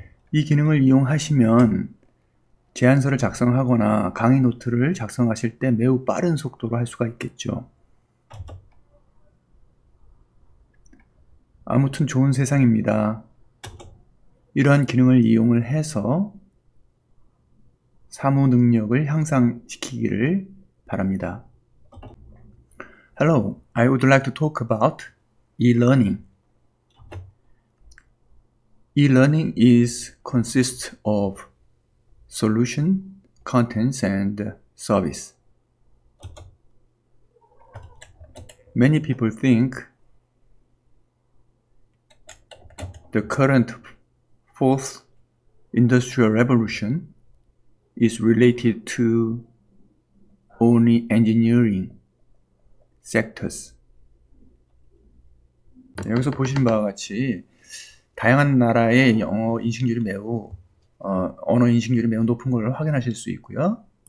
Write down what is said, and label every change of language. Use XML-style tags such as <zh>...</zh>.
<ko>이 기능을 이용하시면 제안서를 작성하거나 강의 노트를 작성하실 때 매우 빠른 속도로 할 수가 있겠죠. 아무튼 좋은 세상입니다. 이러한 기능을 이용을 해서 사무 능력을 향상시키기를 바랍니다.</ko> <en>Hello, I would like to talk about e-learning. E-learning consists of solution, contents, and service. Many people think the current fourth industrial revolution is related to only engineering sectors.</en> <ko>여기서 보시는 바와 같이 다양한 나라의 언어 인식률이 매우 높은 걸 확인하실 수 있고요.</ko>